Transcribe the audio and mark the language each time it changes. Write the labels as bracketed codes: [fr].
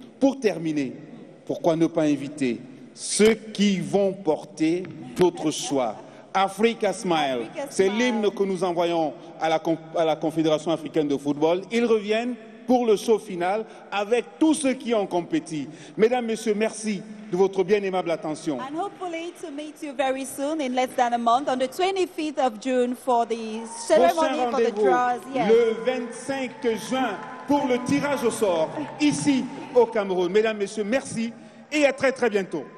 [fr] Pour terminer, pourquoi ne pas inviter ceux qui vont porter d'autres choix. Africa Smile, c'est l'hymne que nous envoyons à la Confédération africaine de football. Ils reviennent pour le show final avec tous ceux qui ont compéti. Mesdames, Messieurs, merci de votre bien aimable attention. [en] And hopefully to meet you very soon in less than a month on the 25th of June for the ceremony for the draws. Yes. [fr] Le 25 juin pour le tirage au sort ici au Cameroun. Mesdames, Messieurs, merci et à très très bientôt.